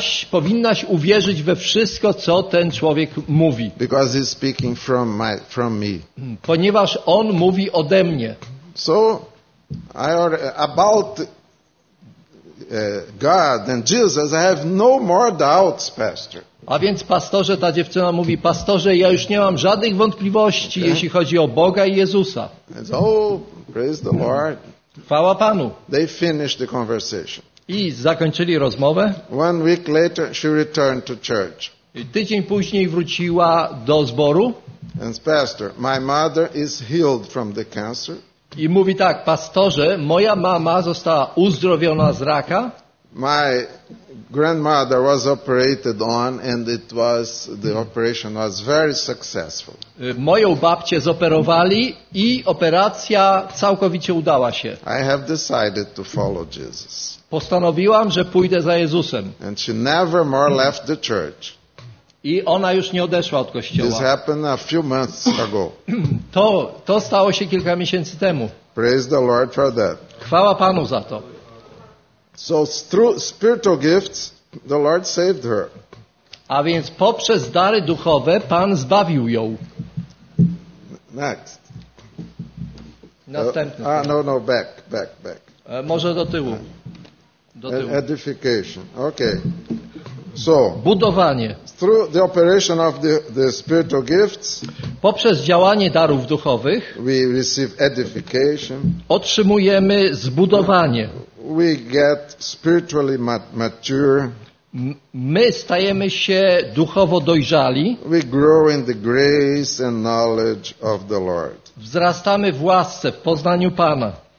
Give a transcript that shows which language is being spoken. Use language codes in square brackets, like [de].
[pl] Powinnaś uwierzyć we wszystko, co ten człowiek mówi. [en] Because he's speaking from me. [pl] Ponieważ on mówi ode mnie. [en] So, about God and Jesus, I have no more doubts, pastor. [pl] A więc pastorze, ta dziewczyna mówi, pastorze, ja już nie mam żadnych wątpliwości, okay, jeśli chodzi o Boga i Jezusa. [en] Praise the Lord. [pl] Chwała Panu. [en] They finished the conversation. [pl] I zakończyli rozmowę. [en] One week later she returned to church. [pl] I tydzień później wróciła do zboru. [en] And pastor, my mother is healed from the cancer. [pl] I mówi tak, pastorze, moja mama została uzdrowiona z raka. [en] My grandmother was operated on and it was, the operation was very successful. [pl] Moją babcię zoperowali i operacja całkowicie udała się. [en] I have decided to follow Jesus. [pl] Postanowiłam, że pójdę za Jezusem. [en] And she never more left the church. [pl] I ona już nie odeszła od kościoła. [en] This happened a few months ago. [pl] To stało się kilka miesięcy temu. [en] Praise the Lord for that. [pl] Chwała Panu za to. [en] So through spiritual gifts, the Lord saved her. [pl] A więc poprzez dary duchowe Pan zbawił ją. [en] Next. [pl] Następny. [en] Back. [pl] Może do tyłu. [en] Edification. Okay. So, [pl] budowanie. [en] Through the operation of the spiritual gifts, [pl] poprzez działanie darów duchowych, [en] we receive edification. [pl] Otrzymujemy zbudowanie. [en] We get spiritually mature. [pl] My stajemy się duchowo dojrzali. [en] We grow in the grace and knowledge of the Lord. [pl] Wzrastamy w łasce, w poznaniu Pana.